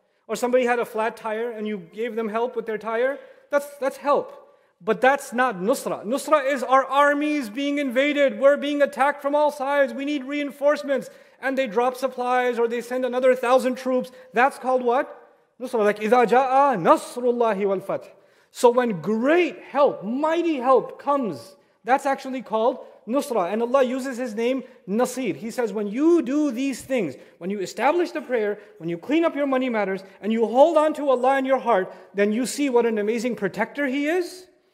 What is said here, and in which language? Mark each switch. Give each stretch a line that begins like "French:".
English: Or somebody had a flat tire and you gave them help with their tire. That's help. But that's not Nusra. Nusra is our armies being invaded. We're being attacked from all sides. We need reinforcements. And they drop supplies or they send another 1,000 troops. That's called what? Nusra. Like,
Arabic: إِذَا جَاءَ نَصْرُ اللَّهِ وَالْفَتْحِ.
English: So when great help, mighty help comes, that's actually called Nusra. And Allah uses His name, Nasir. He says, when you do these things, when you establish the prayer, when you clean up your money matters, and you hold on to Allah in your heart, then you see what an amazing protector He is.